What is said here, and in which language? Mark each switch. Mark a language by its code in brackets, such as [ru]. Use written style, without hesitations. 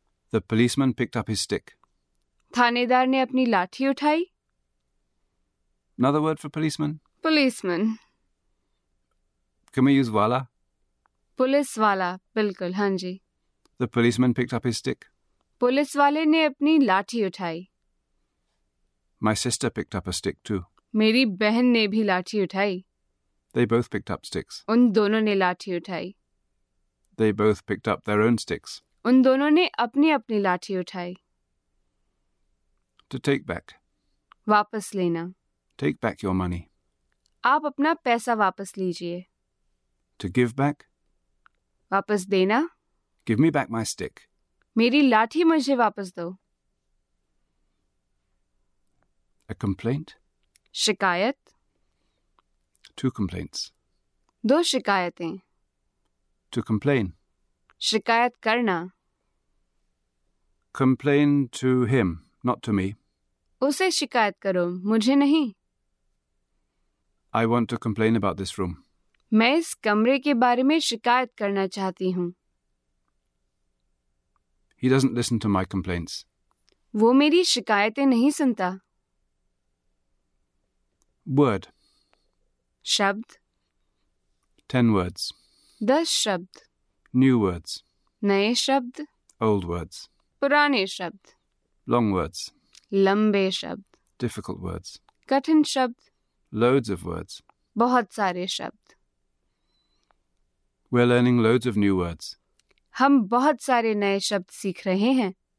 [en] The policeman picked up his stick. [hi] थानेदार ने अपनी लाठी उठाई. [en] Another word for policeman. [hi] Policeman. [en] Can we use wala? [hi] Police वाला. बिल्कुल, हाँ जी. [en] The policeman picked up his stick. [hi] Police वाले ने अपनी लाठी उठाई. [en] My sister picked up a stick too. [hi] मेरी बहन ने भी लाठी उठाई. [en] They both picked up sticks. [hi] उन दोनों ने लाठी उठाई. [en] They both picked up their own sticks. [hi] उन दोनों ने अपनी अपनी लाठी उठाई. [en] To take back. [hi] वापस लेना. [en] Take back your money. [hi] आप अपना पैसा वापस लीजिए. [en] To give back. [hi] वापस देना. [en] Give me back my stick. [hi] मेरी लाठी मुझे वापस दो. [en] A complaint. [hi] शिकायत. [en] Two complaints. [hi] दो शिकायतें. [en] To complain. [hi] शिकायत करना. [en] Complain to him, not to me. [hi] उसे शिकायत करो, मुझे नहीं. [en] I want to complain about this room. [hi] मैं इस कमरे के बारे में शिकायत करना चाहती हूँ. [en] He doesn't listen to my complaints. [hi] वो मेरी शिकायतें नहीं सुनता. [en] Word. [hi] शब्द. [en] 10 words. [hi] 10 शब्द. [en] New words. [hi] नए शब्द. [en] Old words. [hi] पुराने शब्द. [en] Long words. [hi] लंबे शब्द. [en] Difficult words. [hi] कठिन शब्द. [en] Loads of words. [hi] बहुत सारे शब्द. [en] We're learning loads of new words. [hi] हम बहुत सारे नए शब्द सीख रहे हैं.